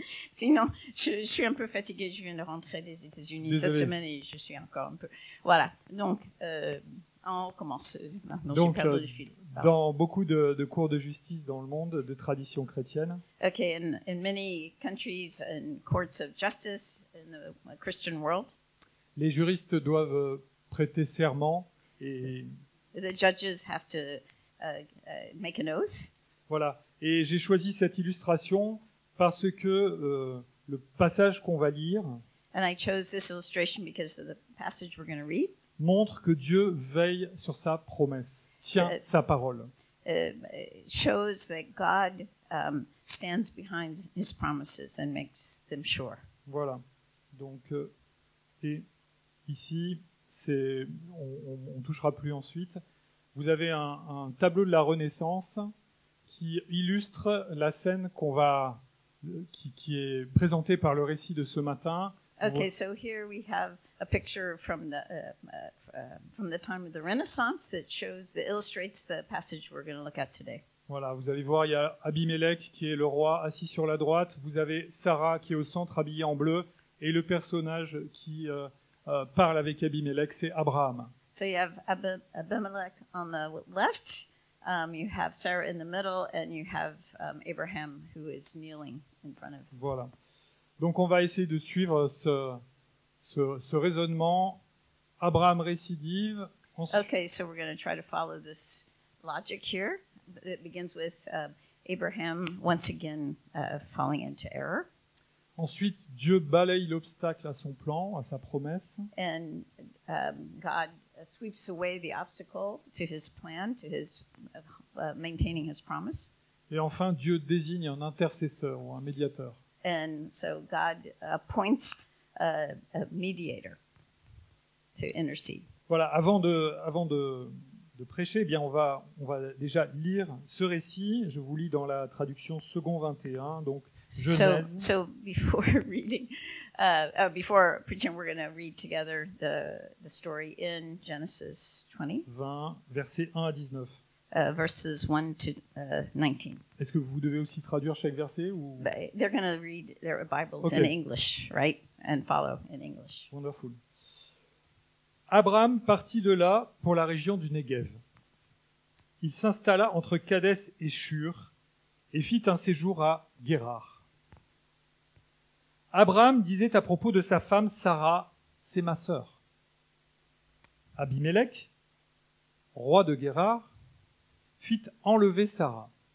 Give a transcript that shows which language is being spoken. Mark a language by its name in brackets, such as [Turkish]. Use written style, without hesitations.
[French] Sinon, je suis un peu fatiguée, je viens de rentrer des États-Unis cette semaine et je suis encore un peu. Voilà, donc on commence. Donc, j'ai perdu le fil. Dans beaucoup de cours de justice dans le monde de tradition chrétienne. [English] Ok, in many countries and courts of justice in the Christian world. [French] Les juristes doivent prêter serment. Et [English] the judges have to make an oath. [French] Voilà. Et j'ai choisi cette illustration parce que le passage qu'on va lire. [English] And I chose this illustration because of the passage we're going to read. [French] Montre que Dieu veille sur sa promesse, tient sa parole. [English] Shows that God stands behind his promises and makes them sure. [French] Voilà. Donc et ici. C'est, on touchera plus ensuite. Vous avez un tableau de la Renaissance qui illustre la scène qui est présentée par le récit de ce matin. [English] Okay, so here we have a picture from the time of the Renaissance that shows that illustrates the passage we're going to look at today. [French] Voilà, vous allez voir, il y a Abimélec qui est le roi assis sur la droite. Vous avez Sarah qui est au centre habillée en bleu et le personnage qui parle avec Abimélec, c'est Abraham. [English] So you have Abimelech on the left, you have Sarah in the middle, and you have Abraham who is kneeling in front of. [French] Voilà. Donc on va essayer de suivre ce raisonnement. Abraham récidive. [English] Okay, so we're going to try to follow this logic here. It begins with Abraham once again falling into error. [French] Ensuite, Dieu balaye l'obstacle à son plan, à sa promesse. [English] And God sweeps away the obstacle to his plan, to his maintaining his promise. [French] Et enfin, Dieu désigne un intercesseur ou un médiateur. [English] And so God appoints a mediator to intercede. [French] Voilà, avant de prêcher, eh bien on va déjà lire ce récit. Je vous lis dans la traduction Second 21, donc Genèse. [English] So before reading, before preaching, we're going to read together the story in Genesis 20. [French] 20, versets 1 à 19. [English] Verses 1 to 19. [French] Est-ce que vous devez aussi traduire chaque verset ou? [English] They're going to read their Bibles okay. In English, right? And follow in English. Wonderful. [French] Abraham partit de là pour la région du Négev. Il s'installa entre Kadès et Shur et fit un séjour à Guérar. Abraham disait à propos de sa femme Sarah, « C'est ma sœur. » Abimélec, roi de Guérar, fit enlever Sarah.